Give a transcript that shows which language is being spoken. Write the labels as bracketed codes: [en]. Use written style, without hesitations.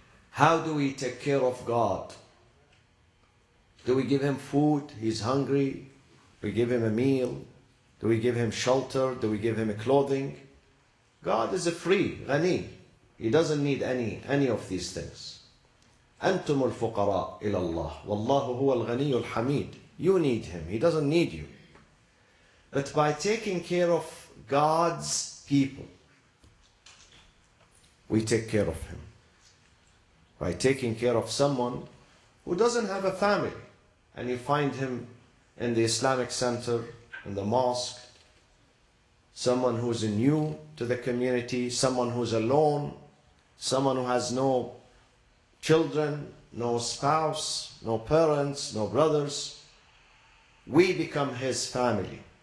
[en] How do we take care of God? Do we give him food? He's hungry. We give him a meal. Do we give him shelter? Do we give him clothing? God is a free, غني. He doesn't need any of these things. [ar] أنتم الفقراء إلى الله والله هو الغني الحميد. [en] You need him. He doesn't need you. But by taking care of God's people, we take care of him. By taking care of someone who doesn't have a family, and you find him in the Islamic center, in the mosque, someone who is new to the community, someone who is alone, someone who has no children, no spouse, no parents, no brothers, we become his family.